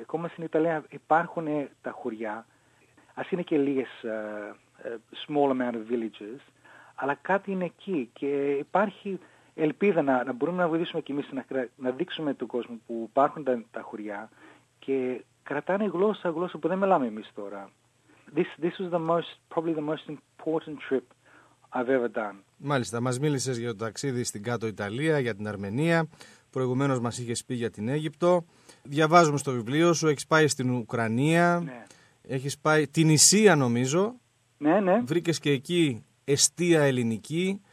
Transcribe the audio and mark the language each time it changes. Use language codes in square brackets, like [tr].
[el] Ακόμα στην Ιταλία υπάρχουν τα χωριά, ας είναι και λίγες [en] small amount of villages, [el] αλλά κάτι είναι εκεί και υπάρχει ελπίδα να μπορούμε να βοηθήσουμε κι εμείς να δείξουμε τον κόσμο που υπάρχουν τα χωριά και κρατάνε γλώσσα που δεν μιλάμε εμείς τώρα. [en] This was probably the most important trip I've ever done. [el] Μάλιστα, μας μίλησες για το ταξίδι στην κάτω Ιταλία, για την Αρμενία. Προηγουμένως μας είχες πει για την Αίγυπτο. Διαβάζουμε στο βιβλίο σου, έχεις πάει στην Ουκρανία. Ναι. Έχεις πάει την Ισία, νομίζω. Ναι. Βρήκες και εκεί εστία ελληνική.